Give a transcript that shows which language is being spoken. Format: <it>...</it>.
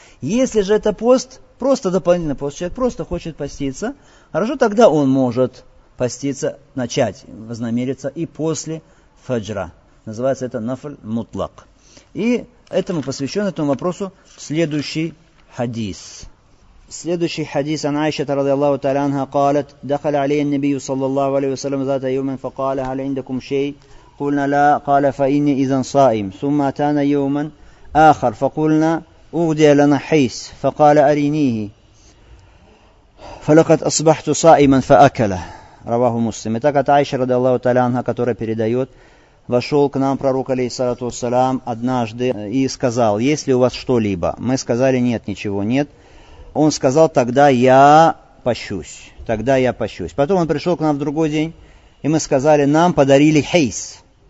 <ru>Если же это пост, просто дополнительный пост, человек просто хочет поститься, хорошо, тогда он может поститься, начать, вознамериться и после фаджра. Называется это нафль мутлак. И этому посвящен этому вопросу следующий хадис. Следующий хадис ан Аишата радиаллаху тааля анха</ru> <ar>قالت دخل علي النبي صلى الله عليه وسلم ذات يوم فقال هل عندكم شيء قلنا لا قال فإني إذا صائم ثم أتانا يوما آخر فقلنا أغدي لنا حيس فقال أرينيه فلقد أصبحت صائما فأكله رواه مسلم.</ar> <ru>Итак, от Аиши ради Аллаху тааля анха, которая передает, вошел к нам пророк, алейхиссалату вассалям, однажды и сказал, есть ли у вас что-либо? Мы сказали, нет, ничего нет. Он сказал, тогда я пощусь. Потом он пришел к нам в другой день, и мы сказали, нам подарили хейс.</ru>